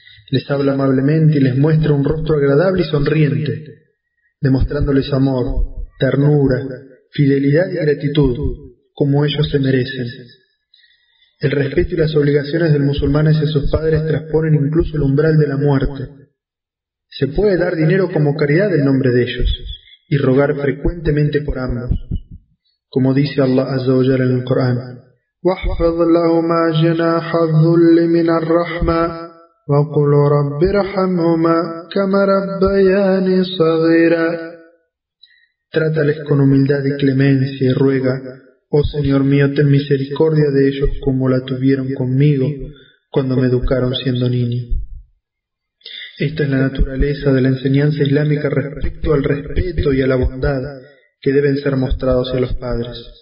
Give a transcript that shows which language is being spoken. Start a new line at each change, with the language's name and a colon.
Spanish: Les habla amablemente y les muestra un rostro agradable y sonriente, demostrándoles amor, ternura, fidelidad y gratitud, como ellos se merecen. El respeto y las obligaciones del musulmán hacia sus padres transponen incluso el umbral de la muerte. Se puede dar dinero como caridad en nombre de ellos, y rogar frecuentemente por ambos. Como dice Allah Azza wa Jalla en el Corán,
Arabic: واحفظ لهما جناح الذل من الرحمة وقل رب ارحمهما كما ربياني صغيرا.
Spanish: Trátales con humildad y clemencia y ruega, oh Señor mío, ten misericordia de ellos como la tuvieron conmigo cuando me educaron siendo niño. Esta es la naturaleza de la enseñanza islámica respecto al respeto y a la bondad que deben ser mostrados a los padres.